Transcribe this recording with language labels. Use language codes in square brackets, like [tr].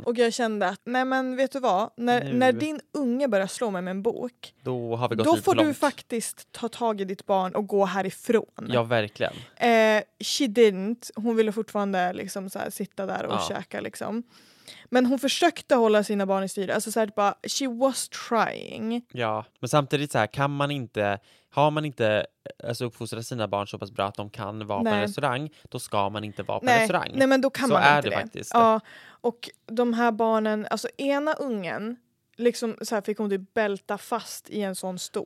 [sv] Och jag kände att, nej men vet du vad? När din unge börjar slå mig med en bok, då har vi gått då får långt. Du faktiskt ta tag i ditt barn och gå härifrån. Ja, verkligen. [en] She didn't. [sv] Hon ville fortfarande liksom så här sitta där och käka liksom. Men hon försökte hålla sina barn i styr. Alltså så här, bara, [en] she was trying. [sv] Ja, men samtidigt så här, kan man inte, har man inte alltså uppfostrat sina barn så pass bra att de kan vara på en restaurang, då ska man inte vara på en restaurang. Nej, men då kan så man inte det. Så är det faktiskt. Ja, och de här barnen, alltså ena ungen liksom så här fick hon typ bälta fast i en sån stol.